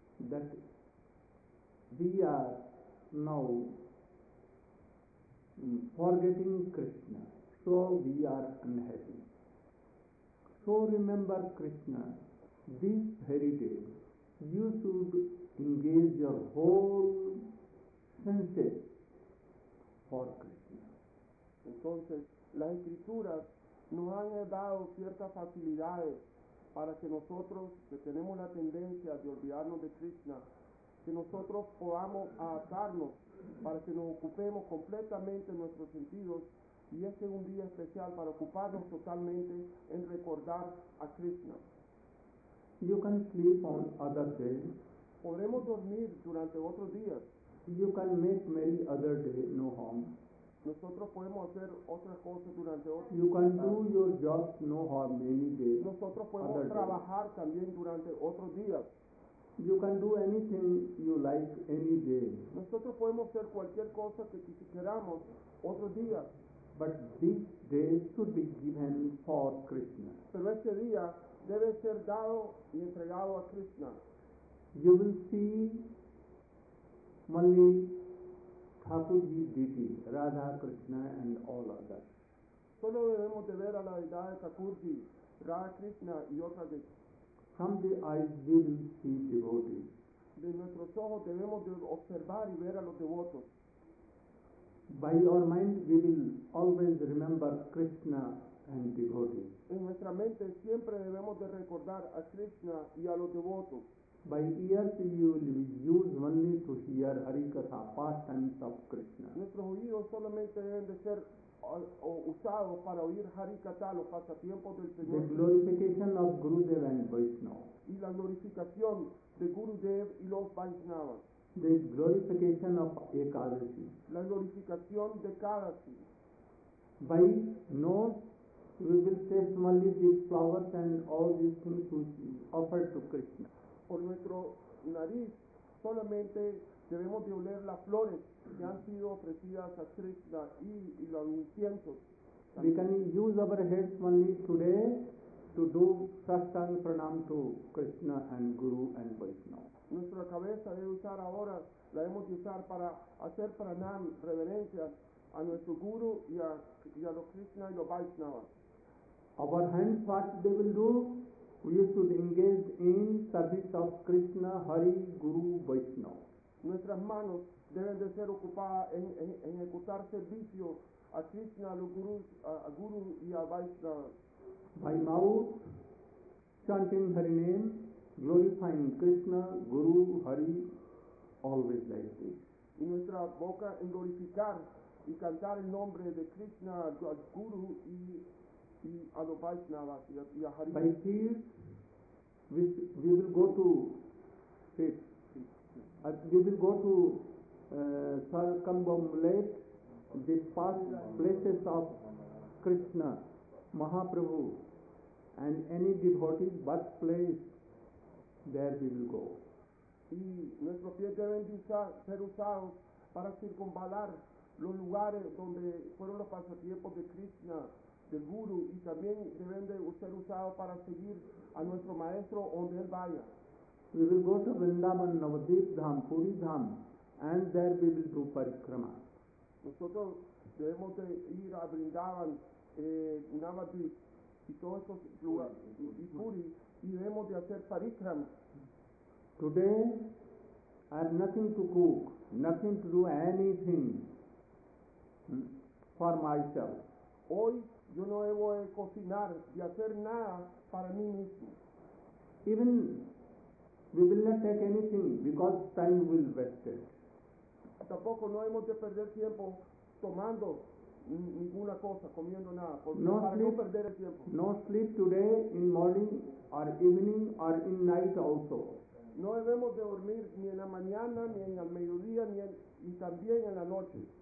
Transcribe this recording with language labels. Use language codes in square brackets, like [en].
[en] that we are now forgetting Krishna, so we are unhappy. So remember Krishna, this very day you should engage your whole senses for Krishna. [es] Entonces, las escrituras nos han dado ciertas facilidades para que nosotros, que tenemos la tendencia de olvidarnos de Krishna, que nosotros podamos adaptarnos para que nos ocupemos completamente nuestros sentidos, y este es un día especial para ocuparnos totalmente en recordar a Krishna. [en] You can sleep on other days. [es] Podemos dormir durante otros días. [en] You can make many other days no harm. [es] Nosotros podemos hacer otras cosas durante otros [en] you can do your job no harm any day. [es] Nosotros podemos trabajar también durante otros días. [en] You can do anything you like any day. [es] Nosotros podemos hacer cualquier cosa que queramos otros días. [en] But this day should be given for Krishna. [es] Pero este día debe ser dado y entregado a Krishna. [en] You will see Malli Thakur Ji Diti, Radha, Krishna and all others. [es] Solo debemos de ver a la deidad de Thakur Ji, Radha, Krishna y otras de. [en] From the eyes we will see devotees. [es] De nuestros ojos debemos de observar y ver a los devotos. [en] By our mind we will always remember Krishna and devotees. [es] En nuestra mente siempre debemos de recordar a Krishna y a los devotos. [en] By ears you will use only to hear Harikatha, pastimes of Krishna. [es] Nuestros oídos solamente deben de ser usados para oír Harikatha, los pasatiempos del Señor. [en] The glorification of Gurudev and Vaishnava. [es] Y la glorificación de Gurudev y los Vaishnavas. [en] The glorification of Ekadasi. [es] La glorificación de Ekadasi. [en] By nose we will taste only these flowers and all these things which offered to Krishna. [es] Por nuestro nariz solamente debemos de oler las flores que han sido ofrecidas a Krishna y los inciensos. [en] We can use our heads only today to do sastang pranam to Krishna and Guru and Vaishnava. [es] Nuestra cabeza debe usar ahora, la debemos usar para hacer pranam, reverencia a nuestro Guru y a los Krishna y los Vaishnava. [en] Our hands, what they will do? We should engage in service of Krishna, Hari, Guru, Vaishnava. [es] Nuestras manos deben de ser ocupadas en ejecutar servicio a Krishna, a los gurus, a Guru y a Vaishnava. [en] By mouth, chanting Hari name, glorifying Krishna, Guru, Hari, always like this. [es] Y nuestra boca en glorificar y cantar el nombre de Krishna, a Guru y a los Vaishnava y a Hari. [en] By tears, we will go to faith. We will go to Sarakambam Lake, the past places of Krishna, Mahaprabhu, and any devotee's birthplace, there we will go. [es] Y nuestros pies deben ser usados para circunvalar los lugares donde fueron los pasatiempos de Krishna, del Guru, y también deben de ser usados para seguir a nuestro maestro donde él vaya. [en] We will go to Vrindavan, Navadvip Dham, Puri Dham, and there we will do parikrama. [es] Nosotros debemos de ir a Vrindavan, Navadvip y todos estos lugares y Puri, y debemos de hacer parikrama. [en] Today I have nothing to cook, nothing to do anything for myself. [es] Hoy yo no debo de cocinar y hacer nada para mí mismo. [en] Even we will not take anything because time will waste. [es] Tampoco no hemos de perder tiempo tomando ninguna cosa, comiendo nada, no para [en] sleep, [es] no perder el tiempo. [en] No sleep today in morning or evening or in night also. [es] No debemos de dormir ni en la mañana ni en el mediodía ni también en la noche.